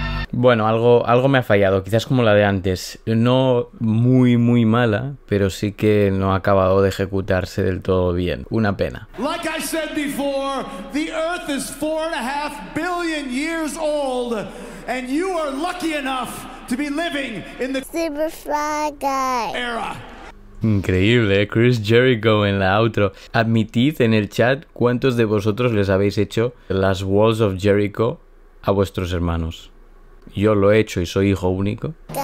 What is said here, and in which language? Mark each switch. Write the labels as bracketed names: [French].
[Spanish] Bueno, algo me ha fallado, quizás como la de antes. No muy, muy mala, pero sí que no ha acabado de ejecutarse del todo bien. Una pena. [English] Like I said before, the earth is 4.5 billion years old, and you are lucky enough to be living in the Superfly Guy era. [Spanish] Increíble, ¿eh? Chris Jericho en la outro. Admitid en el chat cuántos de vosotros les habéis hecho las Walls of Jericho a vuestros hermanos. Yo lo he hecho y soy hijo único.